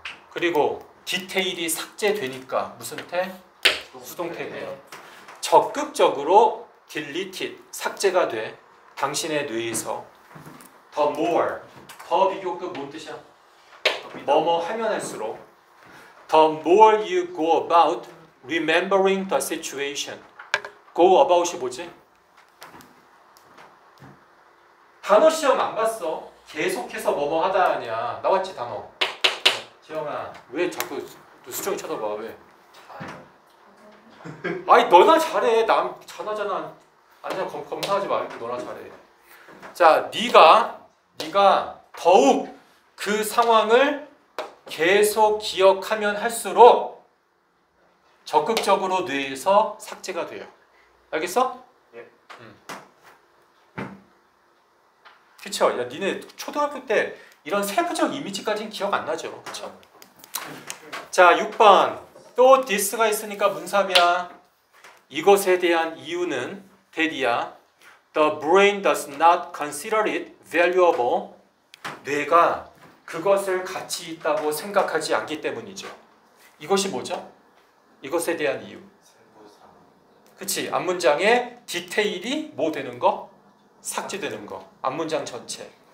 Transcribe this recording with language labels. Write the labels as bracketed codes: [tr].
[ko] 그리고 디테일이 삭제되니까 무슨 태? 수동태예요. 적극적으로 deleted, 삭제가 돼. 당신의 뇌에서. The more, 더 비교급 뭔 뜻이야? 뭐뭐 하면 할수록. [en] The more you go about remembering the situation. [ko] Go about이 뭐지? 단어 시험 안 봤어. 계속해서 뭐뭐 하다 하냐. 나왔지 단어. 지영아. 왜 자꾸 또 수정이 쳐다봐 왜. 아니 너나 잘해. 남 자나자나 아니야 검사하지 말고 너나 잘해. 자 네가 더욱 그 상황을 계속 기억하면 할수록 적극적으로 뇌에서 삭제가 돼요. 알겠어? 예. 그쵸? 야 니네 초등학교 때 이런 세부적 이미지까지는 기억 안 나죠? 그쵸? 자 6번 또 this가 있으니까 문사비야. 이것에 대한 이유는 대디야. [en] The brain does not consider it valuable. [ko] 뇌가 그것을 가치 있다고 생각하지 않기 때문이죠. 이것이 뭐죠? 이것에 대한 이유. 그치. 앞문장의 디테일이 뭐 되는 거? 삭제되는 거. 앞문장 전체.